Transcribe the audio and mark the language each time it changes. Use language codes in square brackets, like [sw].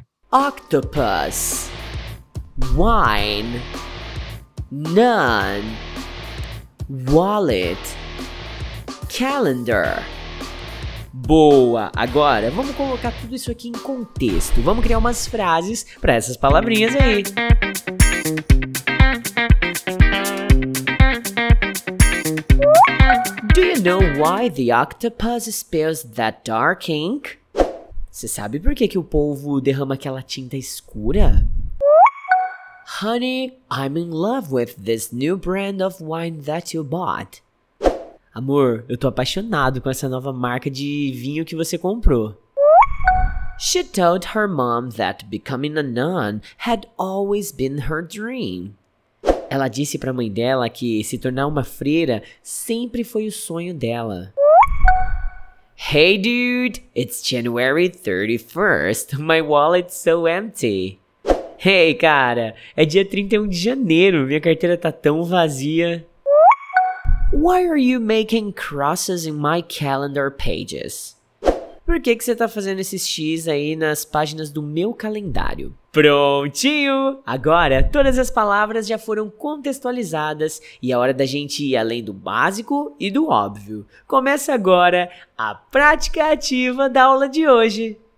[en] Octopus, wine, nun, wallet, calendar. [pt] Boa! Agora, vamos colocar tudo isso aqui em contexto. Vamos criar umas frases para essas palavrinhas aí. [en] Do you know why the octopus spills that dark ink? [pt] Você sabe por que o polvo derrama aquela tinta escura? [en] Honey, I'm in love with this new brand of wine that you bought. [pt] Amor, eu tô apaixonado com essa nova marca de vinho que você comprou. [en] She told her mom that becoming a nun had always been her dream. [pt] Ela disse pra mãe dela que se tornar uma freira sempre foi o sonho dela. [en] Hey dude, it's January 31st, my wallet's so empty. [pt] Hey cara, é dia 31 de janeiro, minha carteira tá tão vazia. [en] Why are you making crosses in my calendar pages? [pt] Por que você tá fazendo esses X aí nas páginas do meu calendário? Prontinho! Agora, todas as palavras já foram contextualizadas e é hora da gente ir além do básico e do óbvio. Começa agora a prática ativa da aula de hoje.